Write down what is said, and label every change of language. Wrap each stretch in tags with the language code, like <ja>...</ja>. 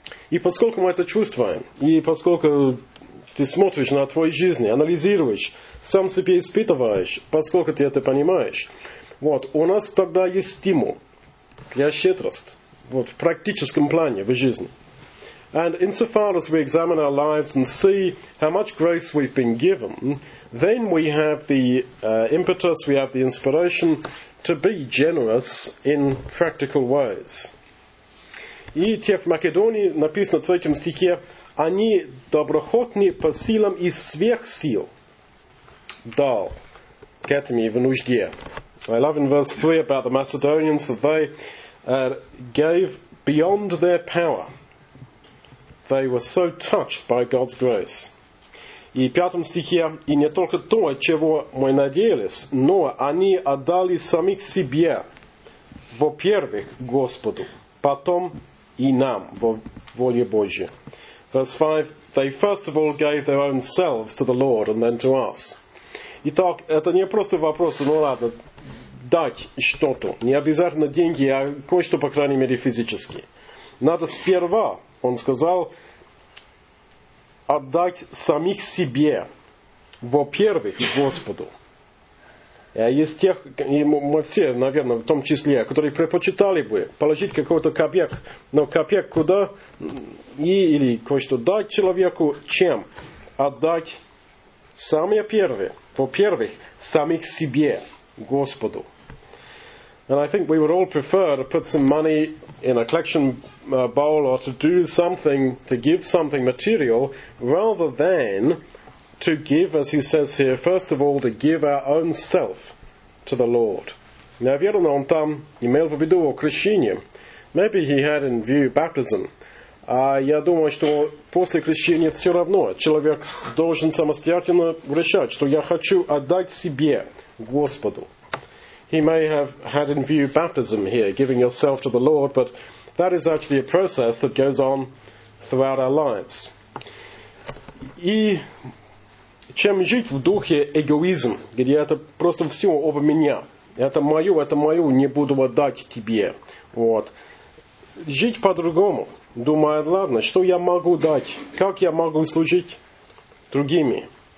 <ru>И поскольку мы это чувствуем, и поскольку ты смотришь на твою жизнь, анализируешь, сам себе испытываешь, поскольку ты это понимаешь. Вот, у нас тогда есть стимул для щедрости. Вот, в практическом плане в жизни.</ru> <en>And insofar as we examine our lives and see how much grace we've been given, then we have the impetus, we have the inspiration to be generous in practical ways.</en> <ru>И те в Македонии, написано в третьем стихе, они доброхотны по силам и сверх сил. Дал к этому в нужде.</ru> <en>I love in verse 3 about the Macedonians that they gave beyond their power. They were so touched by God's grace.</en> <ru>И в пятом стихе, и не только то, чего мы надеялись, но они отдали самих себе, во-первых, Господу, потом и нам, во воле Божьей.</ru> <en>Verse 5, they first of all gave their own selves to the Lord and then to us.</en> <ru>Итак, это не просто вопрос, ну ладно, дать что-то. Не обязательно деньги, а кое-что, по крайней мере, физически. Надо сперва, он сказал, отдать самих себе, во-первых, Господу. Есть тех, и мы все, наверное, в том числе, которые предпочитали бы положить какой-то копеек, но копеек куда, или кое-что дать человеку, чем отдать самое первое. Во-первых, самих себе, Господу.</ru> <en>And I think we would all prefer to put some money in a collection bowl or to do something, to give something material, rather than to give, as he says here, first of all, to give our own self to the Lord.</en> <ru>Наверное, он там имел в виду крещение.</ru> <en>Maybe he had in view baptism.</en> <ru>А я думаю, что после крещения все равно человек должен самостоятельно решать, что я хочу отдать себе Господу.</ru> <en>He may have had in view baptism here, giving yourself to the Lord, but that is actually a process that goes on throughout our lives.</en> <ru>И чем жить в духе эгоизм, где это просто все обо меня. Это мое, не буду отдать тебе. Вот. Жить по-другому, думая, ладно, что я могу дать, как я могу служить другими.</ru>